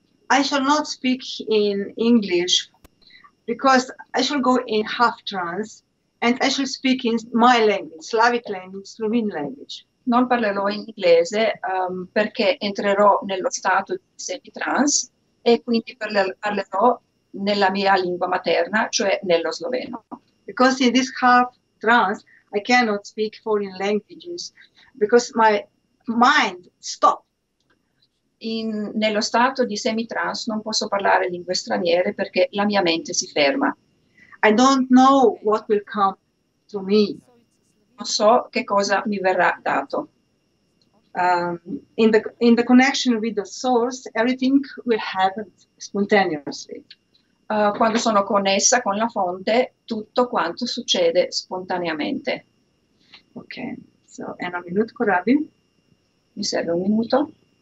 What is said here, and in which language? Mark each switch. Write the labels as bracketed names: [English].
[English] I shall not speak in English because I shall go in half trance and I shall speak in my language, Slavic language, Slovene language. [Italian] Non parlerò in inglese perché entrerò nello stato di semi-trance e quindi parlerò nella mia lingua materna, cioè nello sloveno. [English] Because in this half trance I cannot speak foreign languages because my mind stopped. [Italian] Nello stato di semi-trance non posso parlare lingue straniere perché la mia mente si ferma. [English] I don't know what will come to me. [Italian] Non so che cosa mi verrà dato. [English] In the connection with the source, everything will happen spontaneously. [Italian] Quando sono connessa con la fonte, tutto quanto succede spontaneamente. [English] Okay, so and a minute, Corabi. [Italian] Mi serve un minuto.